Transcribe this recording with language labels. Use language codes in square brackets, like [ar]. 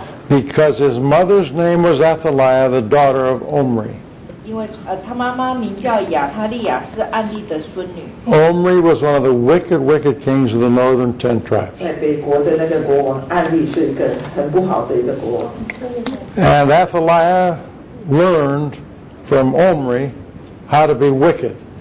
[en] Because his mother's name was Athaliah, the daughter of Omri. [zh] 因为他妈妈名叫亚他利亚，是暗地的孙女。 [en] Omri was one of the wicked kings of the northern ten tribes. [zh] 在北国的那个国王，暗地是一个很不好的一个国王。 [en] And Athaliah learned from Omri how to be wicked.